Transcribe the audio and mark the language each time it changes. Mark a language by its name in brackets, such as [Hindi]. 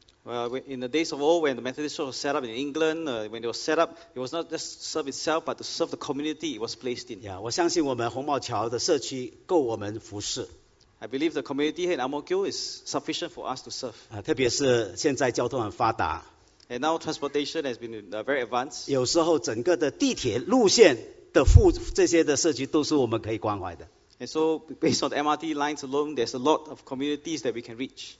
[English] Well, in the days of old, when the Methodist Church was set up in England, when it was set up, it was not just to serve itself, but to serve the community it was placed in. [Chinese] Yeah, 我相信我们红茂桥的社区够我们服侍。 [English] I believe the community here in Amokyo is sufficient for us to serve. [Chinese] 特别是现在交通很发达。 [English] And now transportation has been very advanced. [Chinese] 有时候整个的地铁路线的这些的社区都是我们可以关怀的。 [English] And so, based on the MRT lines alone, there's a lot of communities that we can reach.